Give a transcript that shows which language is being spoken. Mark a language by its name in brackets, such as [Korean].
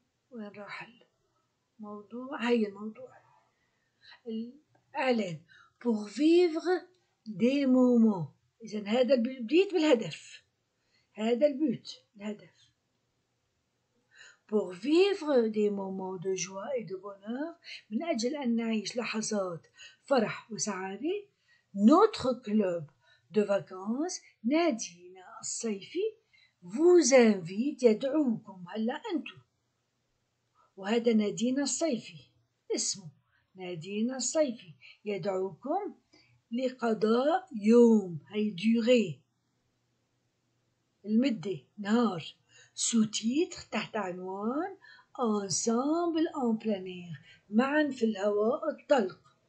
[Arabic] وين راح الموضوع؟ هاي الموضوع الاعلان. [French] Pour vivre des moments. [Arabic] إذن هذا بديت بالهدف. هذا البيت الهدف. [French] Pour vivre des moments de joie et de bonheur, [Arabic] من أجل أن نعيش لحظات فرح وسعادة, [French] notre club de vacances, [Arabic] نادينا الصيفي, [French] vous invite, [Arabic] يدعوكم, هلا أنتو. وهذا نادينا الصيفي, اسمه نادينا الصيفي, يدعوكم لقضاء يوم, هاي ديغي, المدة, نهار. Sous-titre تحت عنوان [French] Ensemble en plein air, [Arabic] معا في الهواء الطلق.